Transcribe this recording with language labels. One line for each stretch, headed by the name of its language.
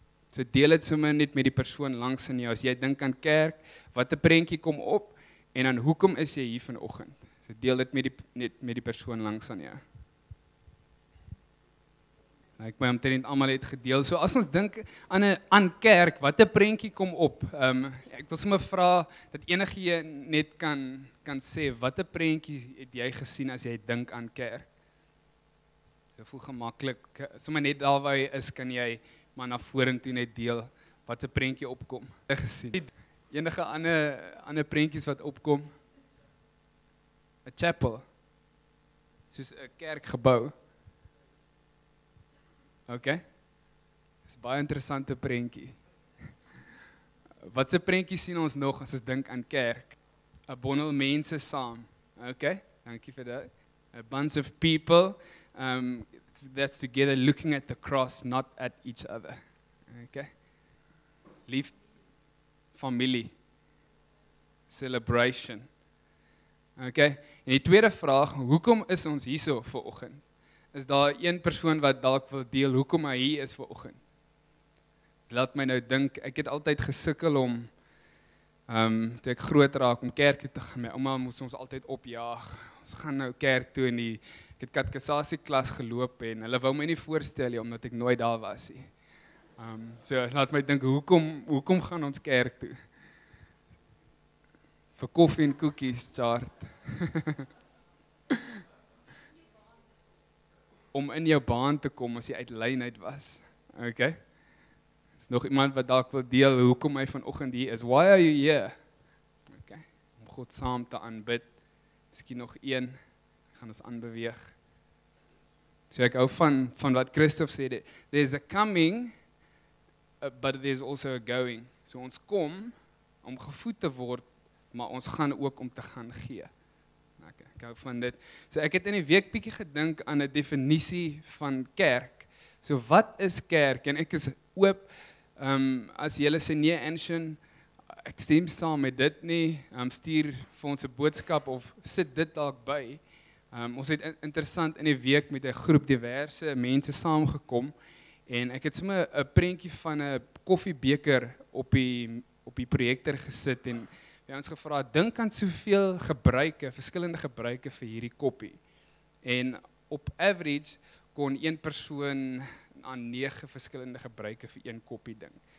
Afrikaans: So deel dit sommer net met die persoon langs aan jou. As jy dink aan kerk, wat 'n prentjie kom op? En dan hoekom is jy hier vanoggend? So deel dit net met die persoon langs aan jou. Ek my omtrent almal het gedeel. So as ons dink aan kerk, wat 'n prentjie kom op? Ek wil sommer vra dat enige een net kan sê, wat 'n prentjie het jy gesien as jy dink aan kerk? So voel gemaklik, sommer net daar waar jy is, kan jy maar na vorentoe net deel wat 'n prentjie opkom. Jy gesien enige ander prentjies wat opkom? 'N chapel. Soos 'n kerkgebou. Oké, okay. Dis baie interessante prentjie. Wat se prentjie sien ons nog as ons dink aan kerk? 'N bondel mense saam. Oké, dankie vir dat.
English: A bunch of people, that's together looking at the cross, not at each other.
Afrikaans: Oké, okay. Lief, familie, celebration. Oké, okay. En die tweede vraag, hoekom is ons hier so vir oggend? Is daar een persoon wat dalk wil deel hoekom hy hier is vanoggend? Laat my nou dink, ek het altyd gesukkel om toe ek groot raak om kerk toe te gaan. My ouma moes ons altyd opjaag. Ons gaan nou kerk toe en ek het katekisasie klas geloop en hulle wou my nie voorstel nie omdat ek nooit daar was nie. So laat my dink hoekom gaan ons kerk toe? Vir koffie en koekies, Tjaart. Om in jou baan te kom as jy uit lynheid was. OK. Is nog iemand wat dalk wil deel hoekom hy vanoggend hier is?
English: Why are you here?
Afrikaans: OK. Om God saam te aanbid. Miskien nog een. Gaan ons aanbeweeg. So ek hou van wat Christof sê.
English: There's a coming, but there's also a going.
Afrikaans: So ons kom om gevoed te word, maar ons gaan ook om te gaan gee. Ek hou van dit. So ek het in die week bietjie gedink aan 'n definisie van kerk. So wat is kerk? En ek is oop, as jy sê nee, Ancient, ek stem saam met dit nie, stuur vir ons 'n boodskap of sit dit dalk by. Ons het interessant in die week met 'n groep diverse mense saamgekom en ek het sommer 'n prentjie van 'n koffiebeker op die projektor gesit en jy ons gevra, dink aan soveel verskillende gebruike vir hierdie koppie. En op average kon een persoon aan 9 verskillende gebruike vir een koppie dink.